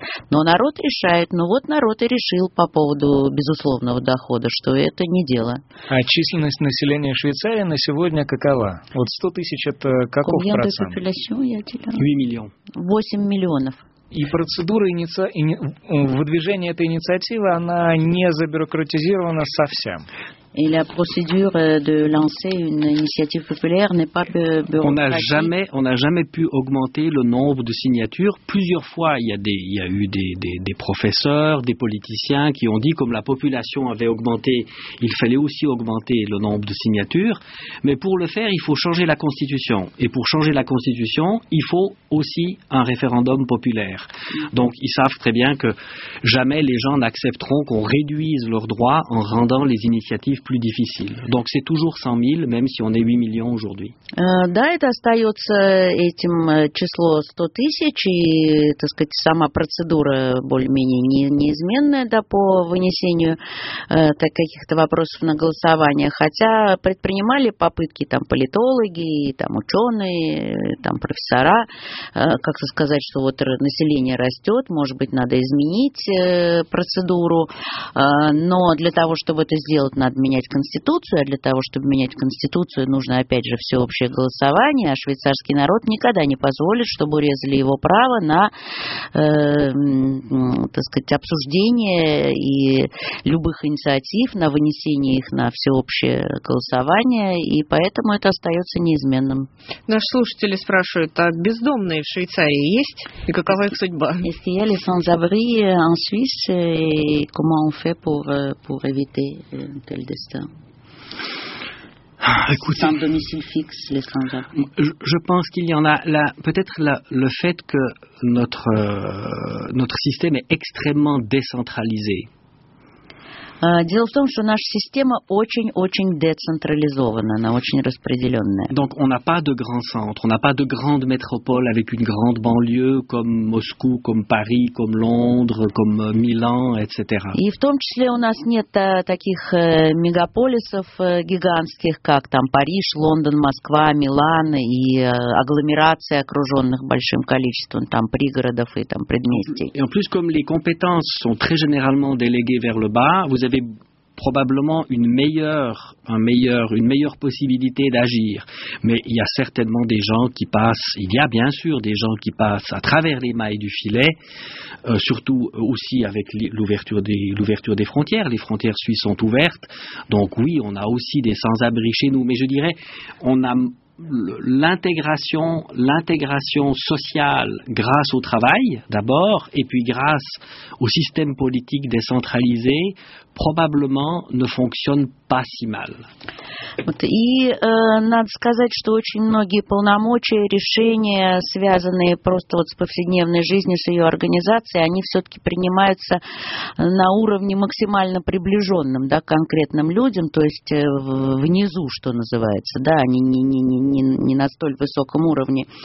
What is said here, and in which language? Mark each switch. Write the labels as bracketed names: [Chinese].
[Russian] Но народ решает. Ну вот народ и решил по поводу безусловного дохода, что это не дело. А численность населения Швейцарии на сегодня какова? Вот 100 тысяч это каков процент? Комьянта популяцион, я теля. 8 миллионов. 8 миллионов. И процедура выдвижения этой инициативы, она не забюрократизирована совсем. [French] И la procédure de lancer une initiative populaire n'est pas bureaucratique. On n'a jamais pu augmenter le nombre de signatures. Plusieurs fois, il y a eu des professeurs, des politiciens qui ont dit, comme la population avait augmenté, il fallait aussi augmenter le nombre de signatures. Mais pour le faire, il faut changer la constitution. Et pour changer la constitution, il faut aussi un référendum populaire. Donc, ils savent très bien que jamais les gens n'accepteront qu'on réduise leurs droits en rendant les initiatives plus difficile. Donc c'est toujours 100 000, même si on est 8 millions aujourd'hui. [Russian] Да, это остается этим число 100 тысяч, и, так сказать, сама процедура более-менее неизменная, да, по вынесению каких-то вопросов на голосование. Хотя предпринимали попытки там политологи, там ученые, там профессора, как-то сказать, что вот население растет, может быть, надо изменить процедуру. Но для того, чтобы это сделать, надо менять конституцию, а для того, чтобы менять конституцию, нужно, опять же, всеобщее голосование, а швейцарский народ никогда не позволит, чтобы урезали его право на, так сказать, обсуждение и любых инициатив, на вынесение их на всеобщее голосование, и поэтому это остается неизменным. Наши слушатели спрашивают, а бездомные в Швейцарии есть? И какова их судьба? Есть ли они [French] sans-abri en Suisse, и comment on fait pour éviter tel Écoutez, sans domicile fixe, les sans-abri. Je pense qu'il y en a. Le fait que notre système est extrêmement décentralisé. [Russian] Дело в том, что наша система очень-очень децентрализована, она очень распределенная. [French] Donc on n'a pas de grand centre, on n'a pas de grande métropole avec une grande banlieue comme Moscou, comme Paris, comme Londres, comme Milan, etc. [Russian] И в том числе у нас нет таких мегаполисов гигантских, как там Париж, Лондон, Москва, Милан и агломерации, окруженных большим количеством там пригородов и там предместий. [French] Et en plus, comme les compétences sont très généralement déléguées vers le bas, vous avez probablement une meilleure possibilité d'agir. Mais il y a certainement des gens qui passent, il y a bien sûr des gens qui passent à travers les mailles du filet, surtout aussi avec l'ouverture des frontières. Les frontières suisses sont ouvertes. Donc oui, on a aussi des sans-abri chez nous. Mais je dirais, on a l'intégration sociale grâce au travail, d'abord, et puis grâce au système politique décentralisé, probablement ne fonctionne pas si mal. [Russian] Вот, и надо сказать, что очень многие полномочия, решения, связанные просто вот с повседневной жизнью, с ее организацией, они все-таки принимаются на уровне максимально приближенном, да, к конкретным людям, то есть внизу, что называется, да, они не на столь высоком уровне.